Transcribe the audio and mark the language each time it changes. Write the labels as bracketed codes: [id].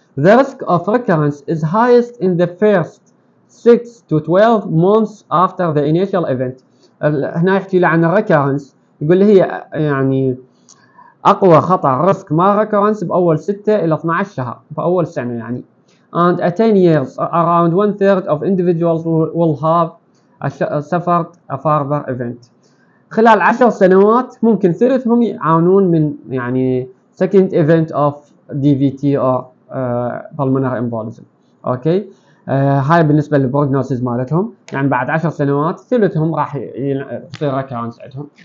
[en] the risk of recurrence is highest in the first 6 to 12 months after the initial event. [ar] هنا يحكي له عن recurrence، يقول هي يعني اقوى خطر ريسك ما ريكورنس باول 6 الى 12 شهر باول سنه يعني. [en] and at 10 years around one third of individuals will have suffered a further event. [ar] خلال 10 سنوات ممكن ثلثهم يعانون من يعني [en] second event of DVT or pulmonary embolism. [ar] اوكي هاي بالنسبه للبروجنوسيس مالتهم، يعني بعد 10 سنوات ثلثهم راح يصير ريكورنس عندهم.